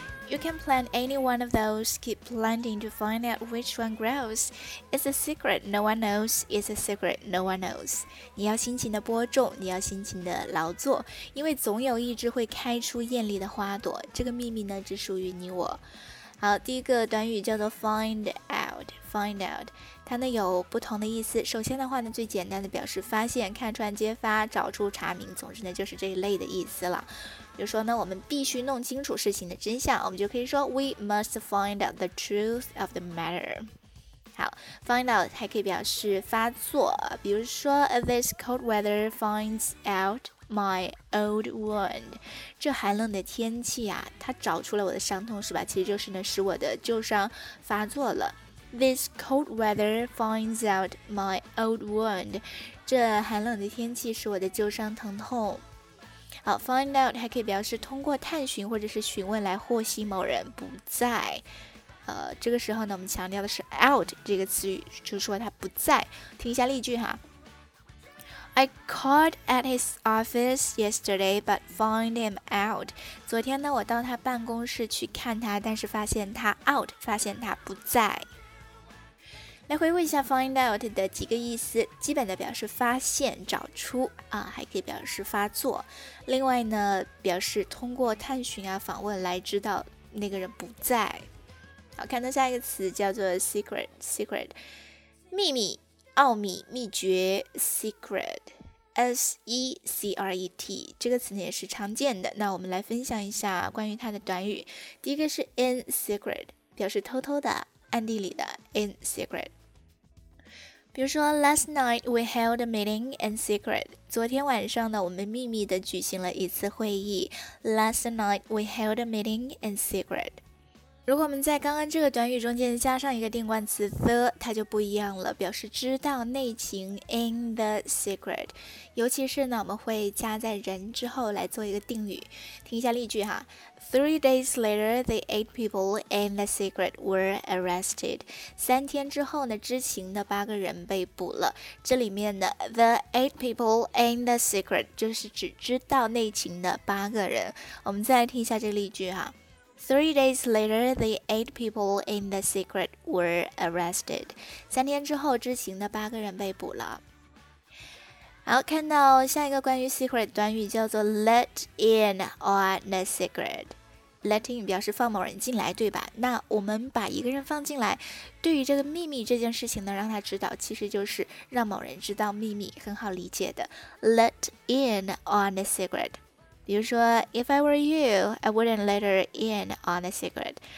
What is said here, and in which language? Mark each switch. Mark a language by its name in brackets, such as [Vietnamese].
[English] You can plant any one of those, keep planting to find out which one grows. It's a secret no one knows, it's a secret no one knows. [Chinese] 你要辛勤的播种，你要辛勤的劳作，因为总有一只会开出艳丽的花朵，这个秘密呢只属于你我。好，第一个短语叫做 [English] find out, find out, [Chinese] 它呢有不同的意思。首先的话呢，最简单的表示发现、看穿、揭发、找出、查明，总之呢就是这一类的意思了。比如说呢，我们必须弄清楚事情的真相，我们就可以说 [English] We must find out the truth of the matter. [Chinese] 好， [English] find out [Chinese] 还可以表示发作，比如说 [English] This cold weather finds out my old wound. [Chinese] 这寒冷的天气啊，它找出了我的伤痛，是吧？其实就是呢，使我的旧伤发作了。 [English] This cold weather finds out my old wound. [Chinese] 这寒冷的天气使我的旧伤疼痛。好， [English] find out [Chinese] 还可以表示通过探寻或者是询问来获悉某人不在。这个时候呢，我们强调的是 out 这个词语，就是说他不在。听一下例句哈。 [English] I called at his office yesterday but found him out. [Chinese] 昨天呢，我到他办公室去看他，但是发现他 out, 发现他不在。来回顾一下 [English] find out [Chinese] 的几个意思，基本的表示发现、找出啊，还可以表示发作。另外呢，表示通过探寻啊、访问来知道那个人不在。好，看到下一个词叫做 secret, secret, 秘密、奥秘、秘诀 secret, S-E-C-R-E-T, 这个词呢也是常见的。那我们来分享一下关于它的短语。第一个是 [English] in secret, [Chinese] 表示偷偷的、暗地里的 in secret。比如说 [English] last night we held a meeting in secret, [Chinese] 昨天晚上呢我们秘密地举行了一次会议。 [English] last night we held a meeting in secret。 [Chinese] 如果我们在刚刚这个短语中间加上一个定冠词 the， 它就不一样了，表示知道内情 [English] in the secret。 [Chinese] 尤其是呢，我们会加在人之后来做一个定语。听一下例句哈， [English] 3 days later the 8 people in the secret were arrested。 [Chinese] 三天之后呢，知情的8个人被捕了。这里面的 [English] the 8 people in the secret [Chinese] 就是指知道内情的8个人。我们再来听一下这个例句哈， [English] 3 days later, the 8 people in the secret were arrested. [Chinese] 三天之后，知情的8个人被捕了。好，看到下一个关于 secret 短语叫做 [English] let in on a secret. Let in [Chinese] 表示放某人进来，对吧？那我们把一个人放进来，对于这个秘密这件事情呢，让他知道，其实就是让某人知道秘密，很好理解的。 [English] Let in on a secret. [Chinese] 比如说 [English] If I were you, I wouldn't let her in on a secret.